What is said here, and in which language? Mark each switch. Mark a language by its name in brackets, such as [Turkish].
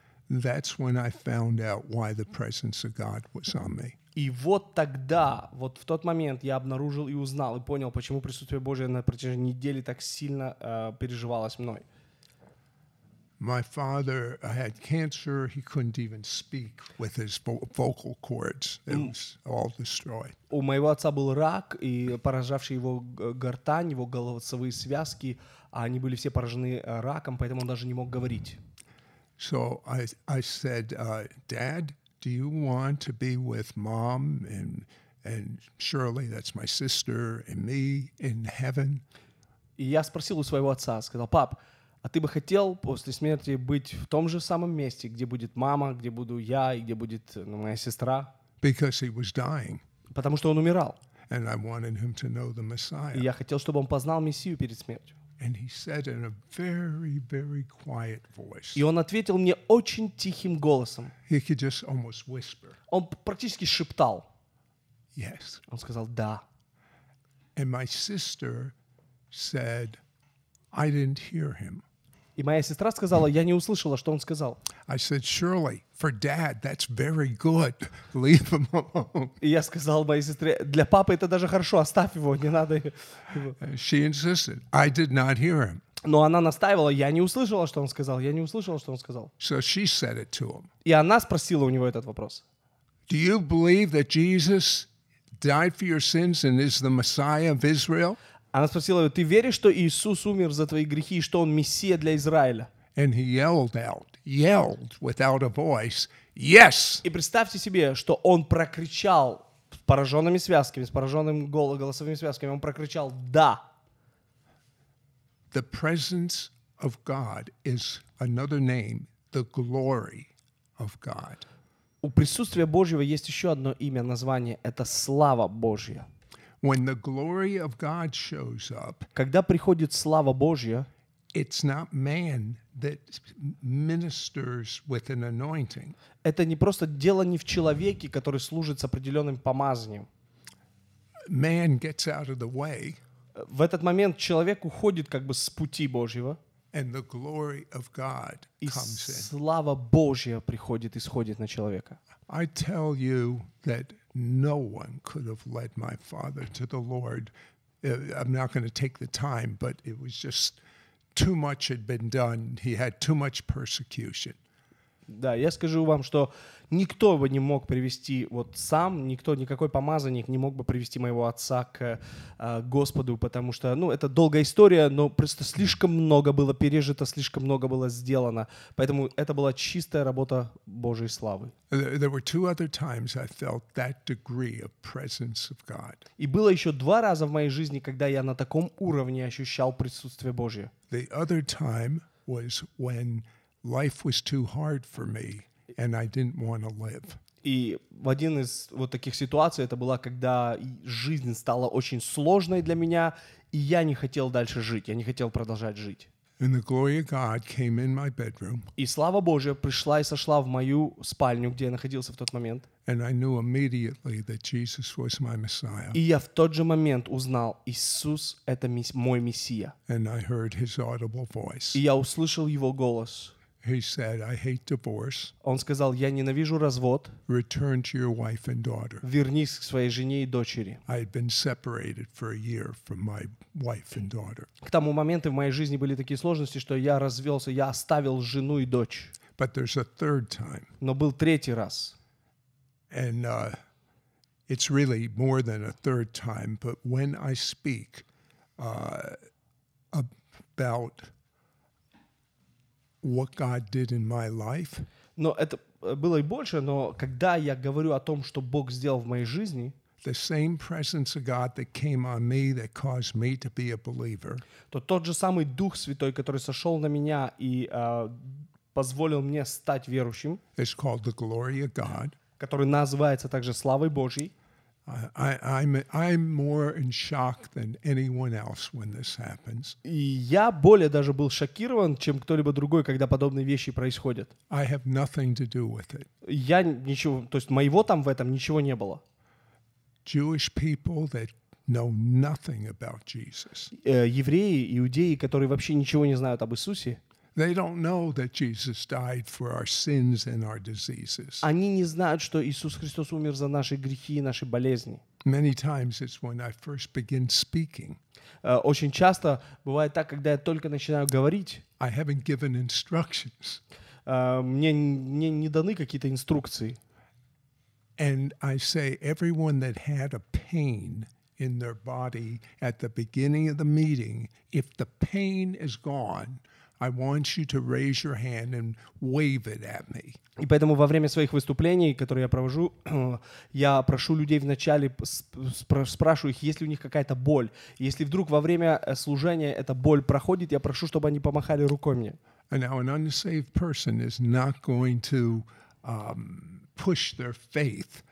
[English] That's when I found out why the presence of God was on me. [Russian] И вот тогда, вот в тот момент я обнаружил и узнал, и понял, почему присутствие Божие на протяжении недели так сильно переживалось мной. [English] My father had cancer. He couldn't even speak with his vocal cords. It was all destroyed. [Russian] У моего отца был рак, и поражавший его гортань, его голосовые связки, они были все поражены раком, поэтому он даже не мог говорить. [English] So I said, Dad, do you want to be with Mom and Shirley, that's my sister, and me in heaven? [Russian] И я спросил у своего отца, сказал, пап, а ты бы хотел после смерти быть в том же самом месте, где будет мама, где буду я и где будет моя сестра? [English] Because he was dying. [Russian] Потому что он умирал. [English] And I wanted him to know the Messiah. [Russian] И я хотел, чтобы он познал Мессию перед смертью. [English] And he said in a very, very quiet voice. [Russian] И он ответил мне очень тихим голосом. [English] He could just almost whisper. [Russian] Он практически шептал. [English] Yes. [Russian] Он сказал да. [English] And my sister said, I didn't hear him. [Russian] И моя сестра сказала, я не услышала, что он сказал. [English] I said, surely, for dad, that's very good. Leave him alone. [Russian] И я сказал моей сестре, для папы это даже хорошо, оставь его, не надо его. [English] She insisted, I did not hear him. [Russian] Но она настаивала, я не услышала, что он сказал, я не услышала, что он сказал. [English] So she said it to him. [Russian] И она спросила у него этот вопрос. [English] Do you believe that Jesus died for your sins and is the Messiah of Israel? [Russian] Она спросила его, ты веришь, что Иисус умер за твои грехи, и что Он Мессия для Израиля? [English] And he yelled out, yelled without a voice, yes! [Russian] И представьте себе, что он прокричал с пораженными связками, с пораженными голосовыми связками, он прокричал «Да!» [English] The presence of God is another name, the glory of God. [Russian] У присутствия Божьего есть еще одно имя, название – это «Слава Божья». [English] When the glory of God shows up, [Russian] когда приходит слава Божья, [English] it's not man that ministers with an anointing. [Russian] Это не просто дело не в человеке, который служит с определенным помазанием. [English] Man gets out of the way. [Russian] В этот момент человек уходит как бы с пути Божьего. [English] And the glory of God comes in. [Russian] И слава Божья приходит и сходит на человека. [English] I tell you that no one could have led my father to the Lord. I'm not going to take the time, but it was just too much had been done. He had too much persecution. [Russian] Да, я скажу вам, что никто бы не мог привести вот сам, никто, никакой помазанник не мог бы привести моего отца к Господу, потому что, ну, это долгая история, но просто слишком много было пережито, слишком много было сделано. Поэтому это была чистая работа Божьей славы. [English] There were two other times I felt that degree of presence of God. [Russian] И было еще два раза в моей жизни, когда я на таком уровне ощущал присутствие Божье. [English] The other time was when life was too hard for me, and I didn't want to live. [Russian] И в один из вот таких ситуаций это было, когда жизнь стала очень сложной для меня, и я не хотел дальше жить, я не хотел продолжать жить. [English] And the glory of God came in my bedroom. [Russian] И слава Божья пришла и сошла в мою спальню, где я находился в тот момент. [English] And I knew immediately that Jesus was my Messiah. [Russian] И я в тот же момент узнал, Иисус — это мой Мессия. [English] And I heard his audible voice. [Russian] И я услышал его голос. [English] He said, I hate divorce. [Russian] Он сказал, я ненавижу развод. [English] Return to your wife and daughter. [Russian] Вернись к своей жене и дочери. [English] I had been separated for a year from my wife and daughter. [Russian] К тому моменту в моей жизни были такие сложности, что я развелся, я оставил жену и дочь. [English] But there's a third time. [Russian] Но был третий раз. [English] And it's really more than a third time, but when I speak about what God did in my life. [Russian] Но это было и больше, но когда я говорю о том, что Бог сделал в моей жизни, [English] the same presence of God that came on me that caused me to be a believer. [Russian] То тот же самый Дух Святой, который сошел на меня и позволил мне стать верующим. [English] It's called the glory of God. [Russian] Который называется также славой Божьей. [English] I'm more in shock than anyone else when this happens. [Russian] И я более даже был шокирован, чем кто-либо другой, когда подобные вещи происходят. [English] I have nothing to do with it. [Russian] Я ничего, то есть моего там в этом ничего не было. [English] Jewish people that know nothing about Jesus. [Russian] Евреи, иудеи, которые вообще ничего не знают об Иисусе. [English] They don't know that Jesus died for our sins and our diseases. [Russian] Они не знают, что Иисус Христос умер за наши грехи и наши болезни. [English] Many times it's when I first begin speaking. [Russian] Очень часто бывает так, когда я только начинаю говорить. [English] I haven't given instructions. [Russian] Мне не даны какие-то инструкции. [English] And I say everyone that had a pain in their body at the beginning of the meeting, if the pain is gone, I want you to raise your hand and wave it at me. [Russian] И поэтому во время своих выступлений, которые я провожу, я прошу людей вначале спрашиваю их, есть ли у них какая-то боль. Если вдруг во время служения эта боль проходит, я прошу, чтобы они помахали рукой мне. [English] And now an unsaved person is not going to push their faith.